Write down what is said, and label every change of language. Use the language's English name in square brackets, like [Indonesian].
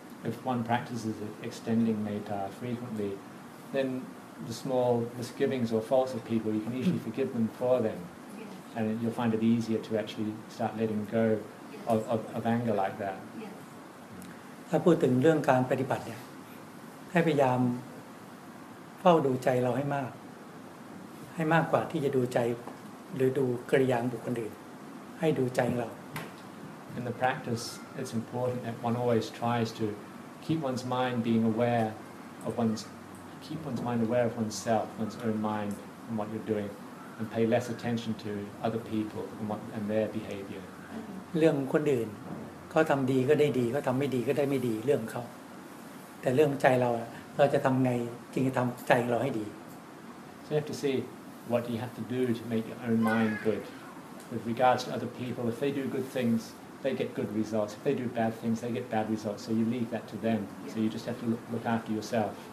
[English] If one practices extending metta frequently then the small misgivings or faults of people you can easily forgive them for them and you'll find it easier to actually start letting go of anger like that [Thai] ถ้าพูดถึงเรื่องการปฏิบัติเนี่ยให้พยายามเฝ้าดูใจเราให้มากให้มากกว่าที่จะดูใจหรือดูกิริยาบุคคลอื่นให้ดูใจเรา [English] In the practice, it's important that one always tries to keep one's mind being aware of one's keep one's mind aware of oneself, one's own mind, and what you're doing, and pay less attention to other people and what and their behavior. [Thai] เรื่องคนอื่นเขาทำดีก็ได้ดีเขาทำไม่ดีก็ได้ไม่ดีเรื่องเขาแต่เรื่องใจเราจะทำไงจึงจะทำใจเราให้ดี [English] So you have to see what you have to do to make your own mind good with regards to other people. If they do good things. They get good results. If they do bad things, they get bad results. So you leave that to them. Yeah. So you just have to look after yourself.